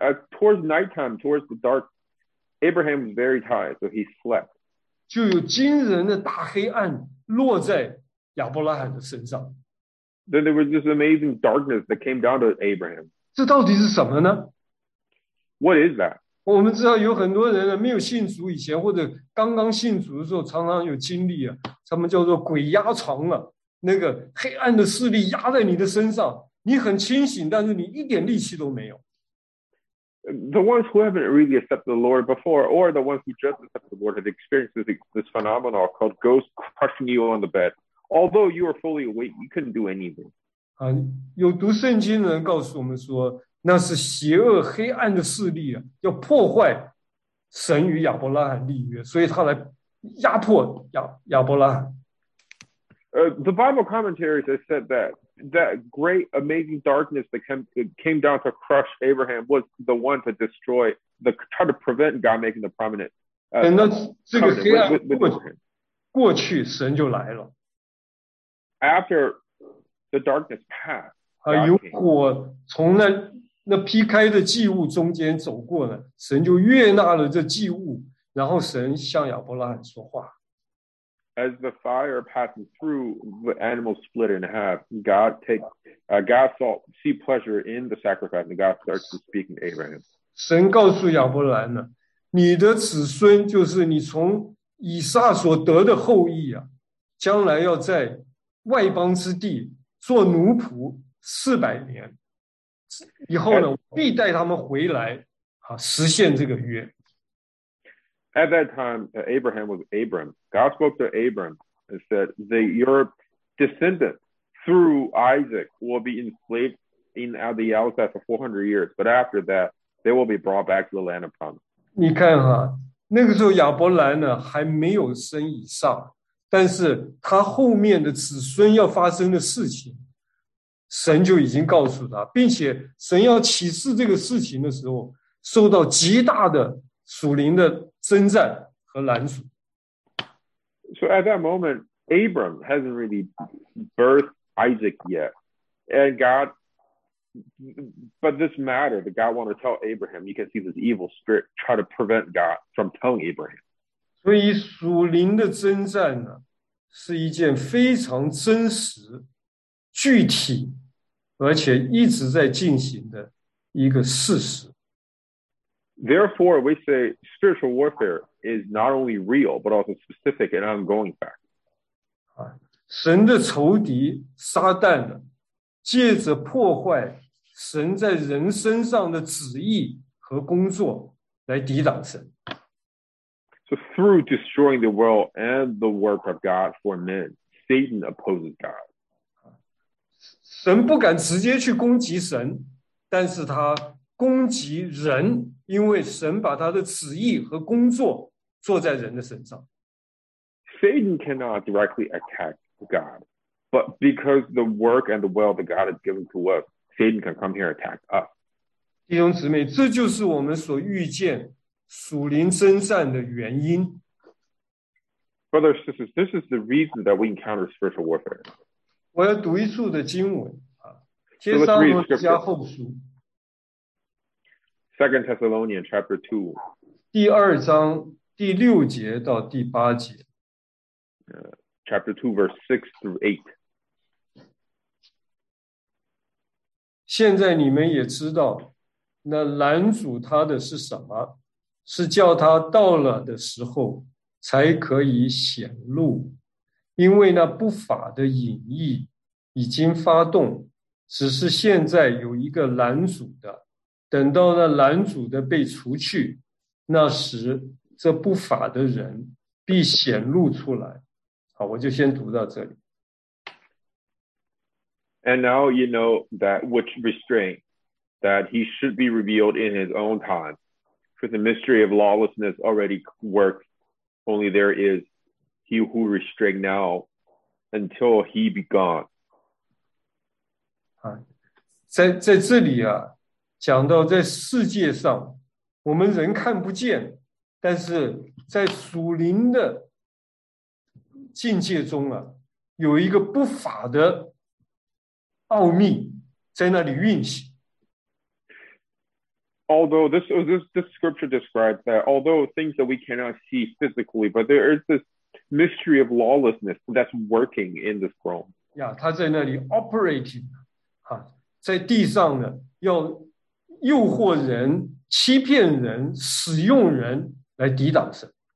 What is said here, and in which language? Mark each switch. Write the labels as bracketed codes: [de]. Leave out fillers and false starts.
[en] Towards nighttime, towards the dark, Abraham was very tired, so he slept. [zh] 就有惊人的大黑暗落在亚伯拉罕的身上。 [en] Then there was this amazing darkness that came down to Abraham. [zh] 这到底是什么呢？ [en] What is that? [zh] 我们知道有很多人没有信主以前或者刚刚信主的时候常常有经历他们叫做鬼压床啊，那个黑暗的势力压在你的身上，你很清醒，但是你一点力气都没有。 [en] the ones who haven't really accepted the Lord before, or the ones who just accepted the Lord, had experienced this phenomenon called ghosts crushing you on the bed. Although you were fully awake, you couldn't do anything. [zh] 有读圣经的人告诉我们说，那是邪恶黑暗的势力啊，要破坏神与亚伯拉罕立约，所以他来压迫亚伯拉罕。 [en] The Bible commentaries have said that great amazing darkness that came down to crush Abraham was the one to destroy, the try to prevent God making the prominent. [zh] 等到这个黑暗过去，神就来了。 [en] After the darkness passed, [zh] 有火从那劈开的祭物中间走过呢，神就悦纳了这祭物，然后神向亚伯拉罕说话。 [en] As the fire passed through, the animal split in half. God saw, see pleasure in the sacrifice, and God starts to speak to Abraham. [zh] 神告诉亚伯兰呢，你的子孙就是你从以撒所得的后裔啊，将来要在外邦之地做奴仆400年。以后呢，必带他们回来，啊，实现这个约。 [en] At that time, Abraham was Abram. God spoke to Abram and said that your descendant through Isaac will be enslaved in the outside for 400 years. But after that, they will be brought back to the land of promise. [zh] 你看哈，那个时候亚伯兰呢还没有生以撒，但是他后面的子孙要发生的事情，神就已经告诉他，并且神要启示这个事情的时候，受到极大的属灵的征战和拦阻。 [en] So at that moment, Abram hasn't really birthed Isaac yet, and God. But this matter that God wanted to tell Abraham, you can see this evil spirit try to prevent God from telling Abraham. [zh] 所以属灵的征战呢，是一件非常真实、具体，而且一直在进行的一个事实。 [en] Therefore, we say spiritual warfare is not only real, but also specific and ongoing fact. [zh] 神的仇敌撒旦呢，借着破坏神在人身上的旨意和工作来抵挡神。 [en] So through destroying the world and the work of God for men, Satan opposes God. [zh] 神不敢直接去攻击神，但是他攻击人，因为神把他的旨意和工作做在人的身上。 [en] Satan cannot directly attack God, but because the work and the will that God has given to us, Satan can come here and attack us. [zh] 弟兄姊妹，这就是我们所遇见属灵征战的原因。 [en] Brothers, sisters, this is the reason that we encounter spiritual warfare. [zh] 我要读一处的经文，帖撒罗尼迦后书。 [en] Second Thessalonians chapter 2. [zh] 第二章第六节到第八节。 [en] Chapter 2 verse 6 through 8. [zh] 现在你们也知道那拦阻他的是什么，是叫他到了的时候才可以显露，因为那不法的隐逸已经发动，只是现在有一个拦阻的，等到那拦阻的被除去，那时这不法的人必显露出来。好，我就先读到这里。 [en] And now you know that which restraint, that he should be revealed in his own time. For the mystery of lawlessness already works, only there is he who restrains now until he be gone. [zh] 在这里啊，讲到在世界上我们人看不见，但是在属灵的境界中啊，有一个不法的奥秘在那里运行。 [en] Although this scripture describes that, although things that we cannot see physically, but there is this mystery of lawlessness that's working in this realm. [zh] Yeah, 他在那里 [en] operating, [zh] 在地上呢，要诱惑人，欺骗人，使用人来抵挡神。